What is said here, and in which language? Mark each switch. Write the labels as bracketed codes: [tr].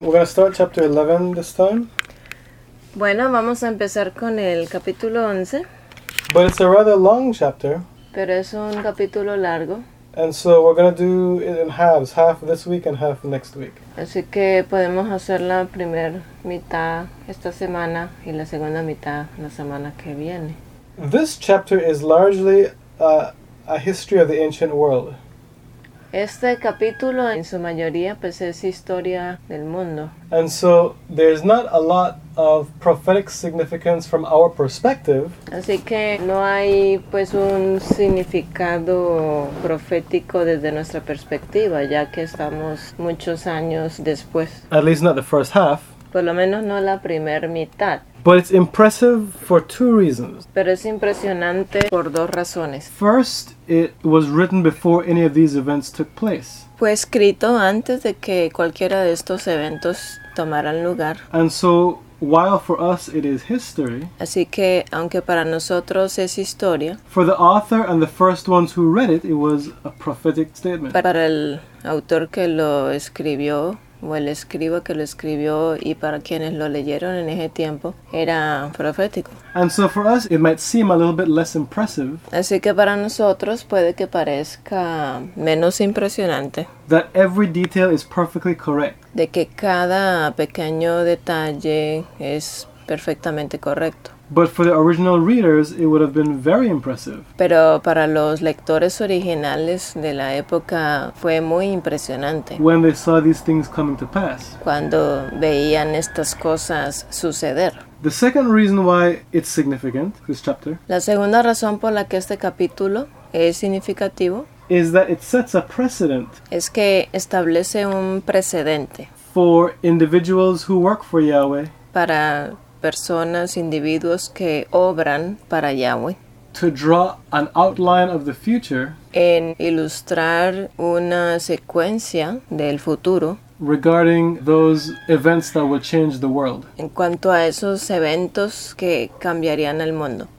[en] We're going to start chapter 11 this time. [es] Bueno, vamos a empezar con el capítulo 11. [en] But it's a rather long chapter. [es] Pero es un capítulo largo. [en] And so we're going to do it in halves, half this week and half next week. [es] Así que podemos hacer la primera mitad esta semana y la segunda mitad la semana que viene. [en] This chapter is largely a history of the ancient world. [es] Este capítulo en su mayoría pues es historia del mundo. [en] And so there's not a lot of prophetic significance from our perspective. [es] Así que no hay pues un significado profético desde nuestra perspectiva, ya que estamos muchos años después. [en] At least not the first half. [es] Por lo menos no la primer mitad. [en] But it's impressive for two reasons. [es] Pero es impresionante por dos razones. [en] First, it was written before any of these events took place. [es] Fue escrito antes de que cualquiera de estos eventos tomaran lugar. [en] And so, while for us it is history, [es] así que aunque para nosotros es historia, [en] for the author and the first ones who read it, it was a prophetic statement. [es] Para el autor que lo escribió, o el escriba que lo escribió y para quienes lo leyeron en ese tiempo, era profético. [en] And so for us, it might seem a little bit less impressive. [es] Así que para nosotros puede que parezca menos impresionante. [en] That every detail is perfectly correct. [es] De que cada pequeño detalle es perfectamente correcto. [en] But for the original readers, it would have been very impressive. [es] Pero para los lectores originales de la época fue muy impresionante. [en] When they saw these things coming to pass. [es] Cuando veían estas cosas suceder. [en] The second reason why it's significant, this chapter. [es] La segunda razón por la que este capítulo es significativo. [en] Is that it sets a precedent. [es] Es que establece un precedente. [en] For individuals who work for Yahweh. [es] Para personas, individuos que obran para Yahweh. [en] To draw an outline of the future. [es] En ilustrar una secuencia del futuro. [en] Regarding those events that will change the world. [es] En cuanto a esos eventos que cambiarían el mundo.